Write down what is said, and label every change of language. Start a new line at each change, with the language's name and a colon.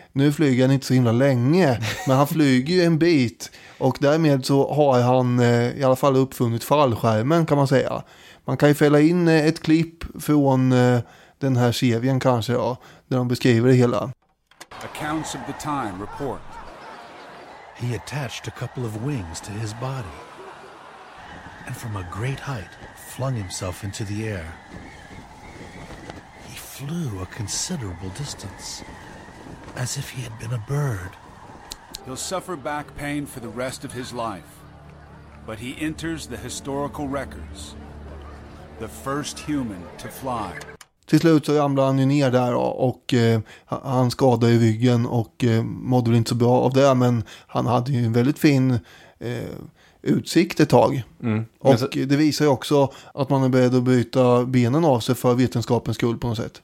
Swedish: Nu flyger han inte så himla länge, men han flyger ju en bit. Och därmed så har han i alla fall uppfunnit fallskärmen, kan man säga. Man kan ju fälla in ett klipp från den här serien kanske, ja, där de beskriver det hela.
English: Accounts of the time report. He attached a couple of wings to his body. And from a great height flung himself into the air. He flew a considerable distance, as if he had been a bird. He'll suffer back pain for the rest of his life, but he enters the historical records. The first human to fly.
Swedish: Till slut så ramlade han ju ner där och han skadade i ryggen och mådde väl inte så bra av det. Men han hade ju en väldigt fin utsikt ett tag. Mm. Och det visar ju också att man är beredd att byta benen av sig för vetenskapens skull på något sätt.